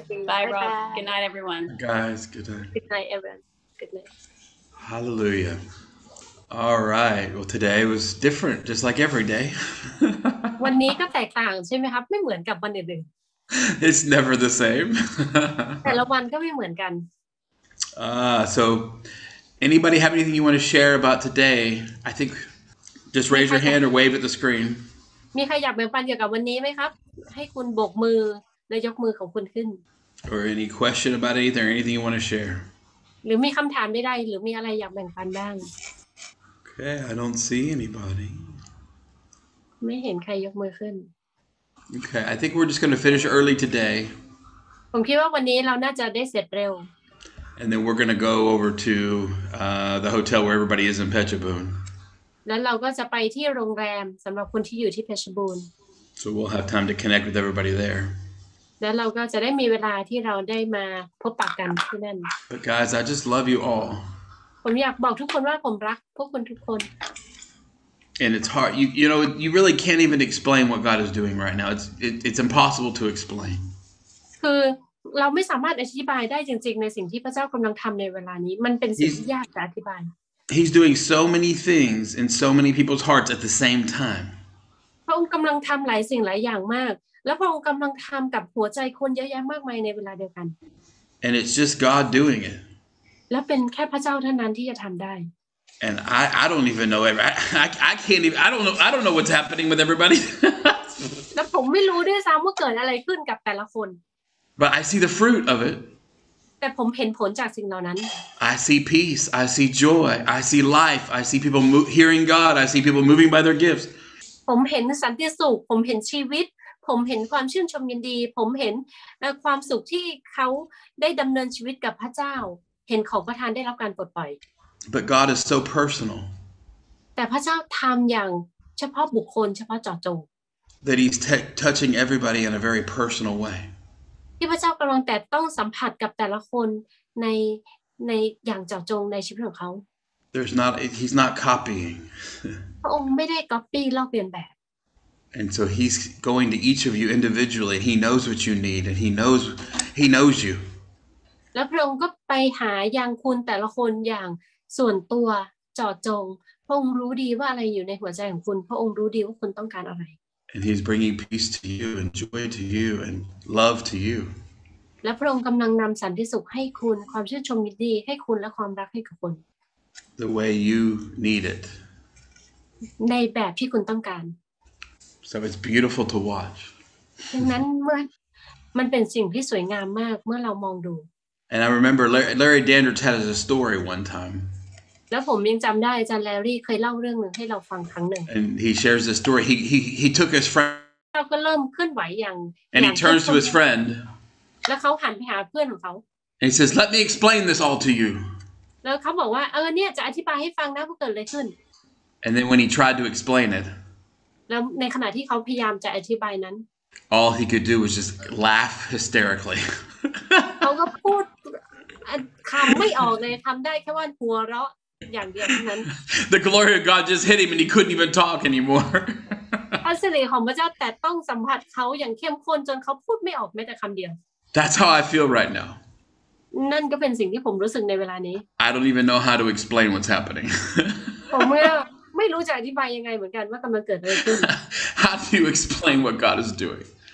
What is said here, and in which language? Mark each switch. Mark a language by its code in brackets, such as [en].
[en] Bye Rob Good night everyone Guys Good night Good night everyone Good night Hallelujah All right. Well, today was different, just like every day. [th] วันนี้ก็แตกต่างใช่ไหมครับไม่เหมือนกับวันอื่น [en] It's never the same. [th] แต่ละวันก็ไม่เหมือนกัน [en] So, anybody have anything you want to share about today? I think just raise your hand or wave at the screen. [th] มีใครอยากแบ่งปันเกี่ยวกับวันนี้ไหมครับให้คุณโบกมือและยกมือของคุณขึ้น [en] Or any question about anything? Or anything you want to share? [th] หรือมีคำถามใดๆหรือมีอะไรอยากแบ่งปันบ้าง [en] Okay, I don't see anybody. [th] ไม่เห็นใครยกมือขึ้น [en] Okay, I think we're just going to finish early today. [th] ผมคิดว่าวันนี้เราน่าจะได้เสร็จเร็ว [en] And then we're going to go over to the hotel where everybody is in Phetchabun. [th] แล้วเราก็จะไปที่โรงแรมสำหรับคนที่อยู่ที่ Phetchabun. [en] So we'll have time to connect with everybody there. [th] แล้วเราก็จะได้มีเวลาที่เราได้มาพบปะกันที่นั่น [en] But guys, I just love you all. [th] ผมอยากบอกทุกคนว่าผมรักพวกคุณทุกคน [en] And it's hard you know you really can't even explain what God is doing right now it's impossible to explain [th] คือเราไม่สามารถอธิบายได้จริงๆในสิ่งที่พระเจ้ากำลังทำในเวลานี้มันเป็นสิ่งที่ยากจะอธิบาย [en] He's doing so many things in so many people's hearts at the same time [th] พระองค์กำลังทำหลายสิ่งหลายอย่างมากแล้วพระองค์กำลังทำกับหัวใจคนเยอะแยะมากมายในเวลาเดียวกัน [en] And it's just God doing it [th] แล้วเป็นแค่พระเจ้าเท่านั้นที่จะทำได้ [en] And I don't even know I can't even I don't know what's happening with everybody [th] แล้วผมไม่รู้ด้วยซ้ำว่าเกิดอะไรขึ้นกับแต่ละคน [en] But I see the fruit of it [th] แต่ผมเห็นผลจากสิ่งเหล่านั้น [en] I see peace I see joy I see life I see people hearing God I see people moving by their gifts [th] ผมเห็นสันติสุขผมเห็นชีวิตผมเห็นความชื่นชมยินดีผมเห็นความสุขที่เขาได้ดำเนินชีวิตกับพระเจ้าเห็นของประทานได้รับการปลดปล่อย [en] But God is so personal [th] แต่พระเจ้าทำอย่างเฉพาะบุคคลเฉพาะเจาะจง [en] That he's touching everybody in a very personal way [th] ที่พระเจ้ากำลังแต่ต้องสัมผัสกับแต่ละคนในอย่างเจาะจงในชีวิตของเขา [en] There's not he's not copying [th] พระองค์ไม่ได้ก๊อปปี้ลอกเลียนแบบ [en] And so he's going to each of you individually he knows what you need and he knows you [th] แล้วพระองค์ก็ไปหายังคุณแต่ละคนอย่างส่วนตัวเจาะจงพระองค์รู้ดีว่าอะไรอยู่ในหัวใจของคุณพระองค์รู้ดีว่าคุณต้องการอะไร [en] And he's bringing peace to you and joy to you and love to you [th] และพระองค์กำลังนำสันติสุขให้คุณความชื่นชมยินดีให้คุณและความรักให้กับคุณ [en] The way you need it [th] ในแบบที่คุณต้องการ [en] So it's beautiful to watch [th] ดังนั้นมันเป็นสิ่งที่สวยงามมากเมื่อเรามองดู [en] And I remember Larry Dandridge had a story one time. [th] แล้วผมยังจำได้อาจารย์ Larry เคยเล่าเรื่องนึงให้เราฟังครั้งหนึ่ง [en] And he shares this story. He took his friend. [th] เราก็เริ่มเคลื่อนไหวอย่าง [en] And he turns to his friend. [th] แล้วเขาหันไปหาเพื่อนของเขา [en] And he says, "Let me explain this all to you." [th] แล้วเขาบอกว่าเออเนี่ยจะอธิบายให้ฟังนะว่าเกิดอะไรขึ้น [en] And then when he tried to explain it. [th] แล้วในขณะที่เขาพยายามจะอธิบายนั้น [en] All he could do was just laugh hysterically. [th] เขาก็พูดคำไม่ออกเลยทำได้แค่ว่าหัวเราะอย่างเดียวเท่านั้น [en] The glory of God just hit him and he couldn't even talk anymore [th] พระสิริของพระเจ้าแต่ต้องสัมผัสเขาอย่างเข้มข้นจนเขาพูดไม่ออกแม้แต่คำเดียว [en] That's how I feel right now [th] นั่นก็เป็นสิ่งที่ผมรู้สึกในเวลานี้ [en] I don't even know how to explain what's happening [th] ผมไม่รู้จะอธิบายยังไงเหมือนกันว่ากำลังเกิดอะไรขึ้น [en] How do you explain what God is doing